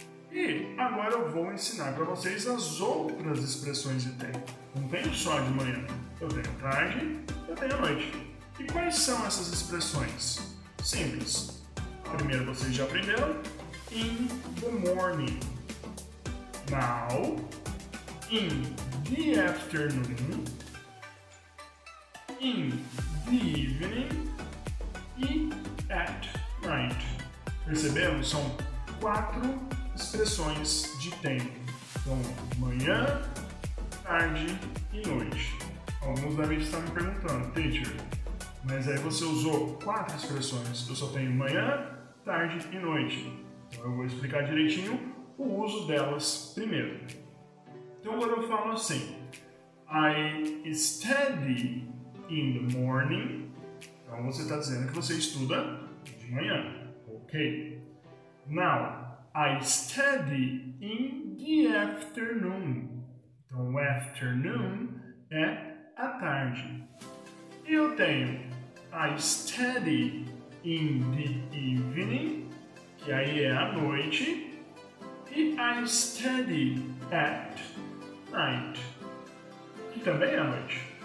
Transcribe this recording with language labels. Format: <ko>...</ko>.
<pt>E agora eu vou ensinar para vocês as outras expressões de tempo. Não tenho só de manhã, eu tenho tarde, eu tenho noite. E quais são essas expressões? Simples. Primeiro vocês já aprenderam,</pt> <en>in the morning. Now, in the afternoon, in the evening e at night.</en> <pt>Percebemos? São quatro expressões de tempo. Então, manhã, tarde e noite. Alguns devem estar me perguntando, teacher, mas aí você usou quatro expressões, eu só tenho manhã, tarde e noite. Então eu vou explicar direitinho o uso delas primeiro. Então agora eu falo assim,</pt> <en>I study in the morning.</en> <pt>Então você está dizendo que você estuda de manhã, ok?</pt> <en>Now, I study in the afternoon.</en> <pt>Então afternoon é a tarde. Eu tenho</pt> <en>I study in the evening,</en> <pt>que aí é a noite, e</pt> <en>I study at night,</en> <pt>que também é a noite.</pt>